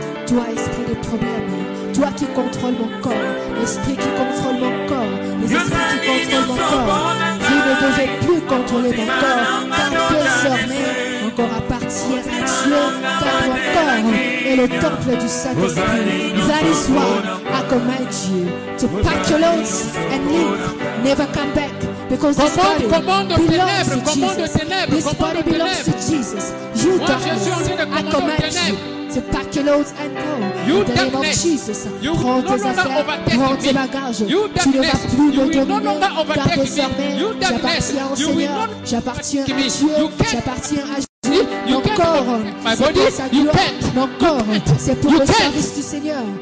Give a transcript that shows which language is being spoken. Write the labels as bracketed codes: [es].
[fr] Toi esprit des problèmes, toi qui contrôle mon corps, l'esprit qui contrôle mon corps, les esprits qui contrôlent mon corps. Je ne devais plus contrôler mon corps, car désormais, mon corps appartient à Dieu, car mon corps est le temple du Saint-Esprit. [en] That is why I command you to pack your loads and leave. Never come back. Because this body belongs to Jesus. You darkness, I command you to pack your loads and go. You in the name of Jesus, [fr] prends tes affaires, prends tes bagages. Tu ne vas plus me dominer, car désormais, j'appartiens au Seigneur, j'appartiens à Dieu, j'appartiens à Jésus. Mon corps, c'est pour sa gloire. Mon corps, c'est pour le service du Seigneur.